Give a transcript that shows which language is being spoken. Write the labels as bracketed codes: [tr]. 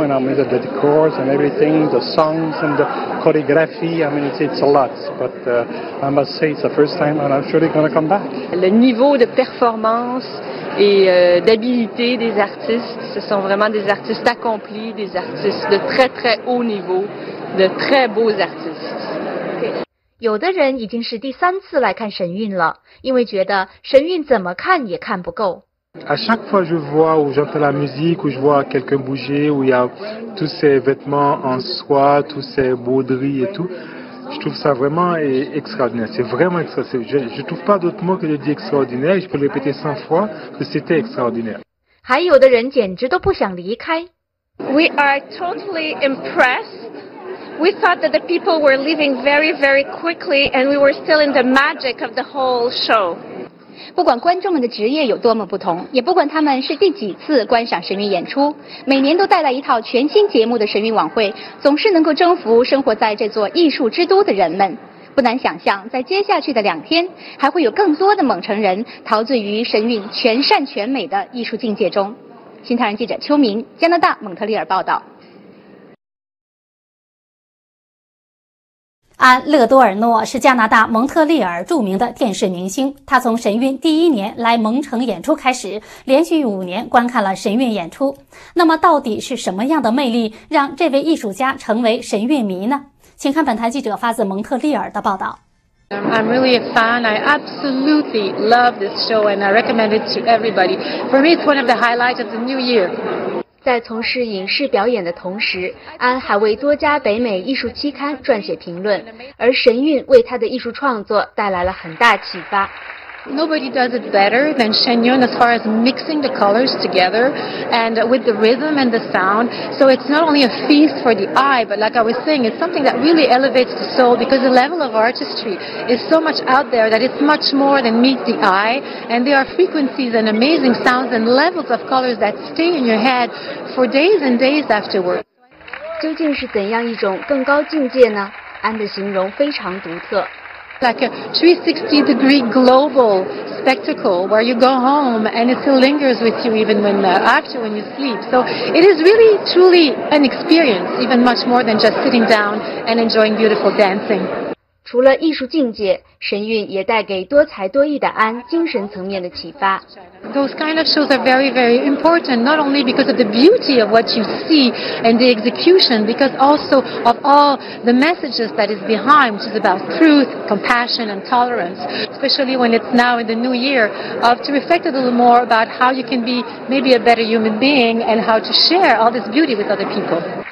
[en] And I mean, the decors and everything, the songs and the choreography, I mean, it's a lot. But I must say, it's the first time and I'm surely going to come back. [fr] Le niveau de performance et d'habilité des artistes, ce sont vraiment des artistes accomplis, des artistes de très très haut niveau, de très beaux artistes. [zh] 有的人已经是第三次来看神韵了，因为觉得神韵怎么看也看不够。 [fr] À chaque fois, je vois ou j'entends la musique ou je vois quelqu'un bouger ou il y a tous ces vêtements en soie, tous ces broderies et tout, je trouve ça vraiment extraordinaire. C'est vraiment extraordinaire. Je trouve pas d'autre mot que de dire extraordinaire. Je peux le répéter 100 fois que c'était extraordinaire. [zh] 还有的人简直都不想离开。 [en] We are totally impressed. We thought that the people were leaving very, very quickly, and we were still in the magic of the whole show. [zh] 不管观众们的职业有多么不同，也不管他们是第几次观赏神韵演出，每年都带来一套全新节目的神韵晚会，总是能够征服生活在这座艺术之都的人们。不难想象，在接下去的两天，还会有更多的蒙城人陶醉于神韵全善全美的艺术境界中。新唐人记者邱明，加拿大蒙特利尔报道。安·勒多尔诺是加拿大蒙特利尔著名的电视明星，他从神韵第一年来蒙城演出开始，连续五年观看了神韵演出。那么到底是什么样的魅力让这位艺术家成为神韵迷呢？请看本台记者发自蒙特利尔的报道。 [en] I'm really a fan. I absolutely love this show and I recommend it to everybody. For me, it's one of the highlights of the new year. [zh] 在从事影视表演的同时，安还为多家北美艺术期刊撰写评论，而神韵为他的艺术创作带来了很大启发。 [en] Nobody does it better than Shen Yun as far as mixing the colors together and with the rhythm and the sound. So it's not only a feast for the eye, but like I was saying, it's something that really elevates the soul because the level of artistry is so much out there that it's much more than meet the eye. And there are frequencies and amazing sounds and levels of colors that stay in your head for days and days afterward. [zh] 究竟是怎样一种更高境界呢？安的形容非常独特。 [en] Like a 360 degree global spectacle where you go home and it still lingers with you even when you sleep. So it is really truly an experience, even much more than just sitting down and enjoying beautiful dancing. [zh] 除了艺术境界，神韵也带给多才多艺的安精神层面的启发。 [en] Those kind of shows are very, very important, not only because of the beauty of what you see and the execution, because also of all the messages that is behind, which is about truth, compassion, and tolerance, especially when it's now in the new year, to reflect a little more about how you can be maybe a better human being and how to share all this beauty with other people.